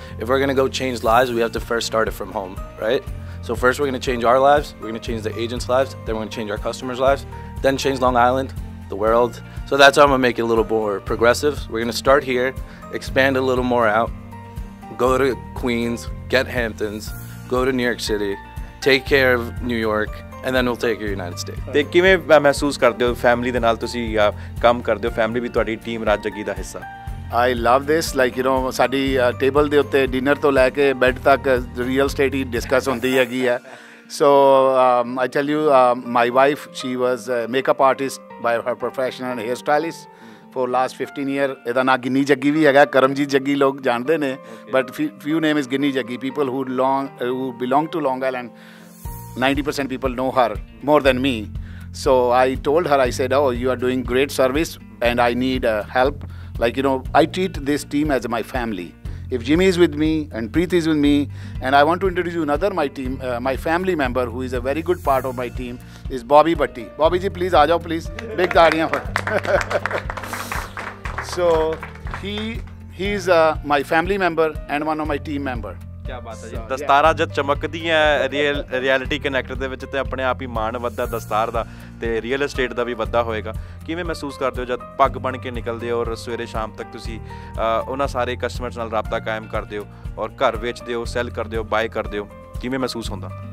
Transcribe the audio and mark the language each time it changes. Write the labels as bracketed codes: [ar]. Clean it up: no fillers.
[en] If we're going to go change lives, we have to first start it from home, right? So first we're going to change our lives, we're going to change the agents' lives, then we're going to change our customers' lives, then change Long Island, the world. So that's how I'm going to make it a little more progressive. We're going to start here, expand a little more out, go to Queens, get Hamptons, go to New York City, take care of New York, and then we'll take care of the United States. [pa] ਤੇ ਕਿਵੇਂ ਮਹਿਸੂਸ ਕਰਦੇ ਹੋ family ਦੇ ਨਾਲ ਤੁਸੀਂ ਕੰਮ ਕਰਦੇ ਹੋ, ਫੈਮਿਲੀ ਵੀ ਤੁਹਾਡੀ ਟੀਮ ਰਾਜ ਜੱਗੀ ਦਾ ਹਿੱਸਾ? [en] I love this, like you know, [pa] ਸਾਡੀ ਟੇਬਲ ਦੇ ਉੱਤੇ ਡਿਨਰ ਤੋਂ ਲੈ ਕੇ ਬੈੱਡ ਤੱਕ ਰੀਅਲ ਸਟੇਟ ਹੀ ਡਿਸਕਸ ਹੁੰਦੀ ਹੈਗੀ ਹੈ। [en] So I tell you, my wife, she was makeup artist by her profession and hair stylist for last 15 year. [pa] ਇਹਦਾ ਨਾਂ ਗਿੰਨੀ ਜੱਗੀ ਵੀ ਹੈਗਾ, ਕਰਮਜੀਤ ਜੱਗੀ ਲੋਕ ਜਾਣਦੇ ਨੇ, [en] but few name is [pa] Ginni Jaggi. [en] People who long who belong to Long Island, 90% people know her more than me. So I told her, I said, oh you are doing great service and I need help, like you know, I treat this team as my family. If Jimmy is with me and Preeti is with me, and I want to introduce you another my team, my family member who is a very good part of my team is Bobby Batti. Bobby ji, please [pa] aa jao, [en] please, big taaliyan for. So he is my family member and one of my team member. [pa] ਦਸਤਾਰਾਂ ਜਦ ਚਮਕਦੀਆਂ real reality connect ਦੇ ਵਿੱਚ ਤਾਂ ਆਪਣੇ ਆਪ ਹੀ ਮਾਣ ਵੱਧਦਾ ਦਸਤਾਰ ਦਾ ਅਤੇ ਰੀਅਲ ਇਸਟੇਟ ਦਾ ਵੀ ਵੱਧਾ ਹੋਏਗਾ। ਕਿਵੇਂ ਮਹਿਸੂਸ ਕਰਦੇ ਹੋ ਜਦ ਪੱਗ ਬਣ ਕੇ ਨਿਕਲਦੇ ਹੋ ਔਰ ਸਵੇਰੇ ਸ਼ਾਮ ਤੱਕ ਤੁਸੀਂ ਉਹਨਾਂ ਸਾਰੇ ਕਸਟਮਰਸ ਨਾਲ ਰਾਬਤਾ ਕਾਇਮ ਕਰਦੇ ਹੋ ਔਰ ਘਰ ਵੇਚਦੇ ਹੋ, ਸੈੱਲ ਕਰਦੇ ਹੋ, ਬਾਏ ਕਰਦੇ ਹੋ, ਕਿਵੇਂ ਮਹਿਸੂਸ ਹੁੰਦਾ?